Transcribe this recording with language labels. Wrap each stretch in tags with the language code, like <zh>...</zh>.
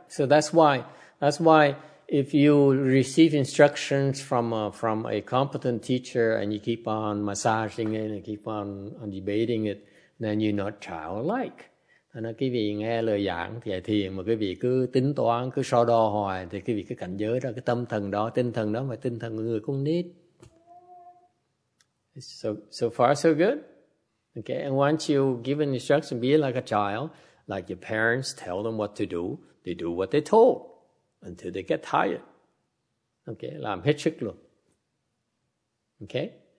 <en>So that's why if you receive instructions from a competent teacher and you keep on massaging it and keep on debating it, then you're not childlike.</en> <vi>Thế nên quý vị nghe lời giảng thì thiền mà quý vị cứ tính toán, cứ so đo hoài thì quý vị cái cảnh giới đó, cái tâm thần đó, tinh thần đó mà tinh thần người con nít.</vi> <en>So far so good. Okay, and once you give an instruction, be like a child, like your parents tell them what to do, they do what they told until they get tired.</en> <vi>Okay, làm hết sức luôn.</vi> <en>Okay?</en>